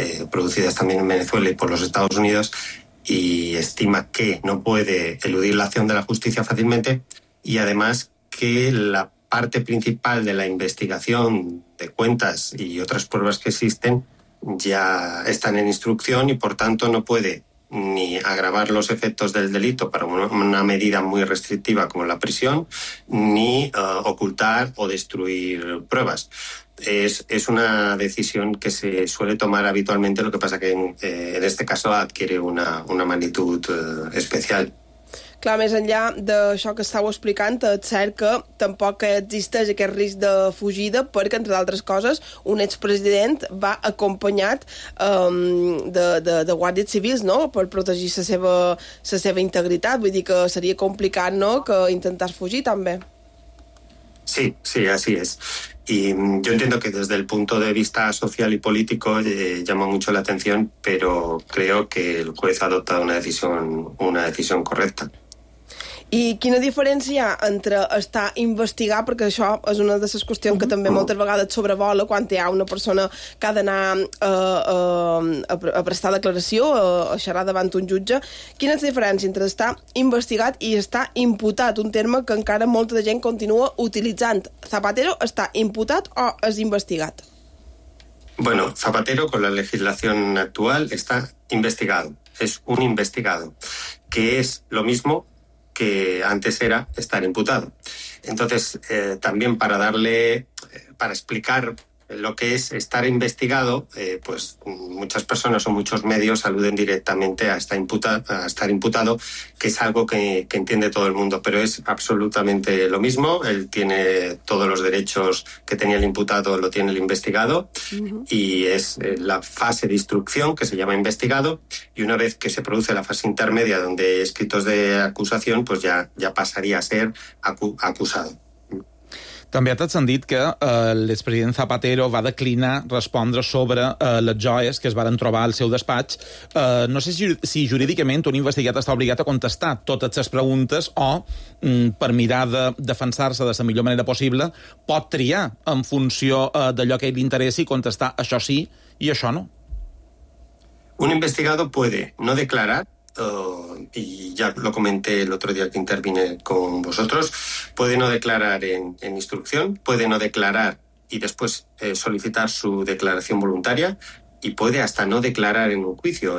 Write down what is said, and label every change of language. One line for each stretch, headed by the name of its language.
Spanish: producidas también en Venezuela y por los Estados Unidos, y estima que no puede eludir la acción de la justicia fácilmente, y además que la parte principal de la investigación de cuentas y otras pruebas que existen ya están en instrucción y por tanto no puede ni agravar los efectos del delito para una medida muy restrictiva como la prisión, ni ocultar o destruir pruebas. Es una decisión que se suele tomar habitualmente, lo que pasa que en este caso adquiere una magnitud especial.
Catalan: Clar, més enllà d'això que estàveu explicant, és cert que tampoc existeix aquest risc de fugida perquè, entre d'altres coses, un expresident va acompanyat de guàrdies civils, no?, per protegir la seva integritat. Vull dir que seria complicat, no?, que intentés fugir també.
Spanish: Sí, sí, así es. Y yo entiendo que desde el punto de vista social y político llama mucho la atención, pero creo que el juez ha adoptado una decisión correcta.
Catalan: I quina diferència entre estar investigat, perquè això és una de les qüestions que també moltes vegades sobrevola quan hi ha una persona que ha d'anar a prestar declaració, a xerrar davant un jutge, quina és la diferència entre estar investigat i estar imputat, un terme que encara molta gent continua utilitzant? Zapatero està imputat o és investigat?
Spanish: Bueno, Zapatero, con la legislación actual, está investigado. Es un investigado, que es lo mismo que antes era estar imputado. Entonces, también para darle, para explicar lo que es estar investigado, pues muchas personas o muchos medios aluden directamente a estar imputado, que es algo que entiende todo el mundo, pero es absolutamente lo mismo. Él tiene todos los derechos que tenía el imputado, lo tiene el investigado, y es la fase de instrucción, que se llama investigado, y una vez que se produce la fase intermedia, donde escritos de acusación, pues ya pasaría a ser acusado.
Catalan: També ha transcendit que l'expresident Zapatero va declinar respondre sobre les joies que es varen trobar al seu despatx. No sé si jurídicament un investigat està obligat a contestar totes les preguntes o, per mirar de defensar-se de la millor manera possible, pot triar en funció d'allò que li interessi contestar això sí i això no.
Spanish: Un investigado puede no declarar, y ya lo comenté el otro día que intervine con vosotros, puede no declarar en instrucción, puede no declarar y después solicitar su declaración voluntaria, y puede hasta no declarar en un juicio.